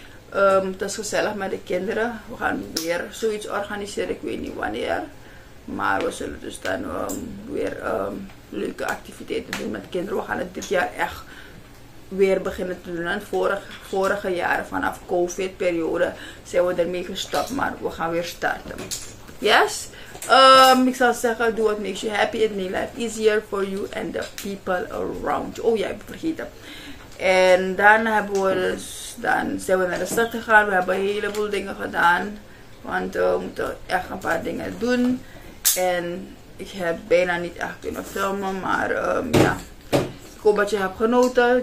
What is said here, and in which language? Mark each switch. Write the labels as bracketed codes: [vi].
[nl] Het is gezellig met de kinderen. We gaan weer zoiets organiseren. Ik weet niet wanneer. Maar we zullen dus dan weer leuke activiteiten doen met de kinderen. We gaan het dit jaar echt weer beginnen te doen. En vorige jaar, vanaf COVID-periode, zijn we ermee gestopt. Maar we gaan weer starten. Yes, ik zou zeggen, [en] do what makes you happy. It makes life easier for you and the people around you. [nl] Oh ja, ik heb vergeten. En dan hebben we dus, dan zijn we naar de stad gegaan. We hebben een heleboel dingen gedaan. Want we moeten echt een paar dingen doen. En ik heb bijna niet echt kunnen filmen. Maar ja, ik hoop dat je hebt genoten.